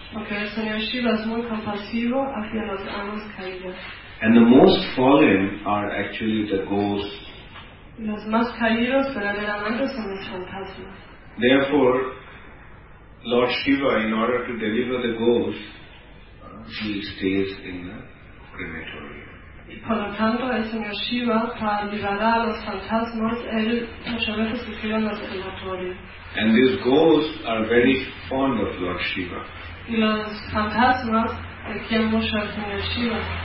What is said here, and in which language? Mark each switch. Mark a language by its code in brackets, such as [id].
[en] And the most fallen are actually the ghosts. Therefore, Lord Shiva, in order to deliver the ghosts, he stays in the crematorium. [es] Y por lo tanto, el señor Shiva, para liberar a los fantasmas, él muchas veces se queda en el crematorio. [en] And these ghosts are very fond of Lord Shiva. [es] Y los fantasmas le quieren mucho al señor Shiva.